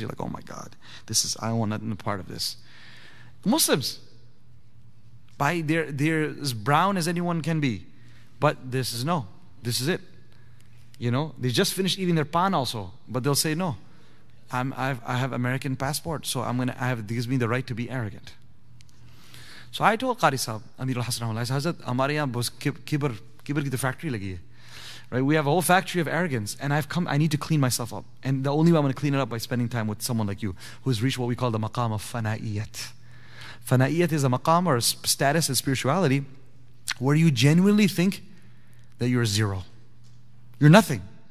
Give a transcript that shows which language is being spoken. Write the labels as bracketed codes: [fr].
[en] You're like, oh my God, this is, I don't want nothing to part of this. Muslims, they're as brown as anyone can be, but this is it. You know, they just finished eating their pan also, but they'll say, no, I have American passport, so it gives me the right to be arrogant. So I told [ur] قاری صاحب، امیر الحسن، [en] I said, [ur] حضرت، ہمارے یہاں بس کبر کی تو factory لگی ہے۔ [en] Right, we have a whole factory of arrogance, and I need to clean myself up. And the only way I'm going to clean it up by spending time with someone like you, who's reached what we call the maqam of fana'iyat. Fana'iyat is a maqam or a status in spirituality where you genuinely think that you're zero. You're nothing.